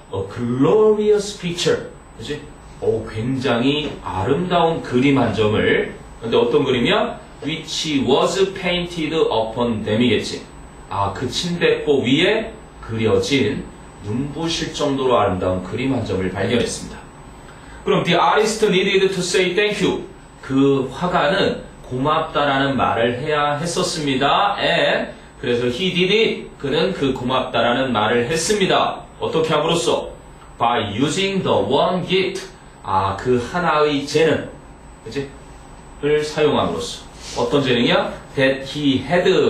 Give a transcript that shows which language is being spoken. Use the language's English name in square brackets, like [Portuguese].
[English] a glorious picture. 그치? [Korean] 오, 굉장히 아름다운 그림 한 점을. 근데 어떤 그림이야? [English] which was painted upon them이겠지. [Korean] 아, 그 침대포 위에 그려진 눈부실 정도로 아름다운 그림 한 점을 발견했습니다. 그럼 [English] the artist needed to say thank you. [Korean] 그 화가는 고맙다라는 말을 해야 했었습니다. [English] and [Korean] 그래서 [English] he did it. [Korean] 그는 그 고맙다라는 말을 했습니다. 어떻게 함으로써? [English] by using the one gift. [Korean] 아, 그 하나의 재능. 그치? 를 사용함으로써. 어떤 재능이야? [English] that he had.